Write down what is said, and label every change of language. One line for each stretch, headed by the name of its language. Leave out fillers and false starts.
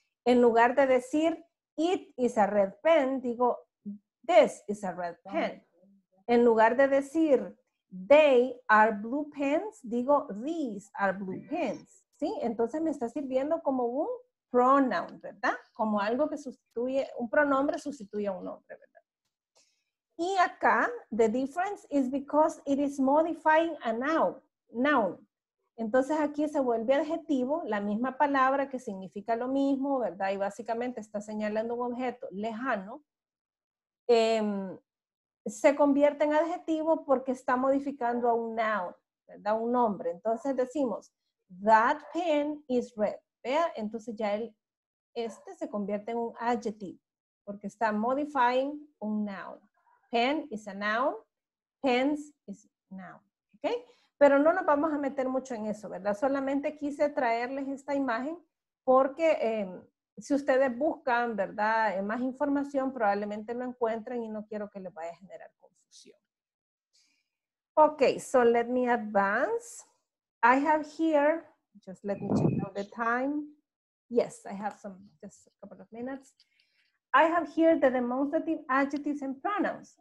Spanish: En lugar de decir,
English: it is a red pen,
Spanish: digo,
English: this is a red pen.
Spanish: En lugar de decir,
English: they are blue pens,
Spanish: digo,
English: these are blue pens, ¿sí?
Spanish: Entonces me está sirviendo como un pronoun, ¿verdad? Como algo que sustituye, un pronombre sustituye a un nombre, ¿verdad? Y acá,
English: the difference is because it is modifying a noun.
Spanish: Entonces aquí se vuelve adjetivo, la misma palabra que significa lo mismo, ¿verdad? Y básicamente está señalando un objeto lejano. Se convierte en adjetivo porque está modificando a un noun, ¿verdad? Un nombre. Entonces decimos,
English: that pen is red.
Spanish: ¿Vea? Entonces ya este se convierte en un adjective porque está modifying un noun.
English: Pen is a noun, pens is a noun. ¿Okay?
Spanish: Pero no nos vamos a meter mucho en eso, ¿verdad? Solamente quise traerles esta imagen porque si ustedes buscan, ¿verdad? Más información, probablemente lo encuentren y no quiero que les vaya a generar confusión.
English: Ok, so let me advance. I have here, just let me check out the time. Yes, I have some, just a couple of minutes. I have here the demonstrative adjectives and pronouns.